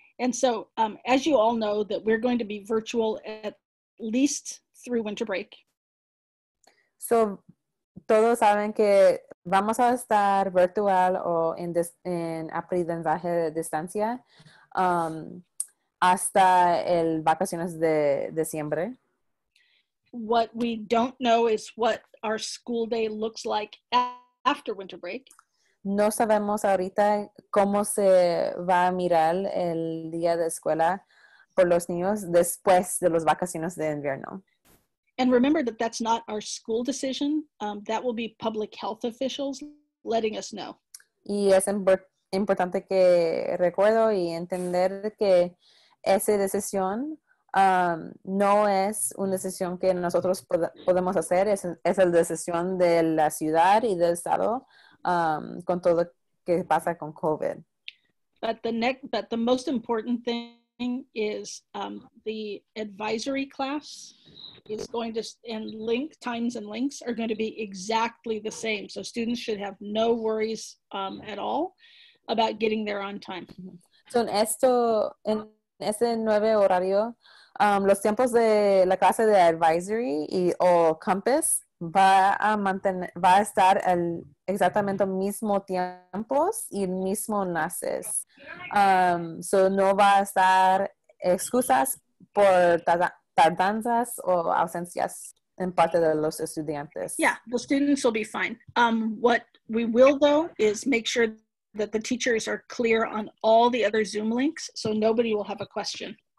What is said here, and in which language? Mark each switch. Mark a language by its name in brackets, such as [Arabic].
[English] And so, as you all know, that we're going to be virtual at least through winter break. [Spanish] So, todos saben que vamos a estar virtual o en aprendizaje de distancia hasta el vacaciones de diciembre. [English] What we don't know is what our school day looks like after winter break. [Spanish] No sabemos ahorita cómo se va a mirar el día de escuela por los niños después de las vacaciones de invierno. [English] And remember that that's not our school decision. That will be public health officials letting us know. [Spanish] Y es importante que recuerdo y entender que esa decisión no es una decisión que nosotros podemos hacer. Es la decisión de la ciudad y del estado con todo lo que pasa con COVID. [English] But the most important thing is the advisory class is going to, and link times and links are going to be exactly the same. So students should have no worries at all about getting there on time. [Spanish] So en esto, en ese nuevo horario, los tiempos de la clase de advisory y o compass va a estar el exactamente mismo tiempos y el mismo clases. So no va a estar excusas por tardanzas o ausencias en parte de los estudiantes. [English] Yeah, the students will be fine. What we will though is make sure that the teachers are clear on all the other Zoom links, so nobody will have a question.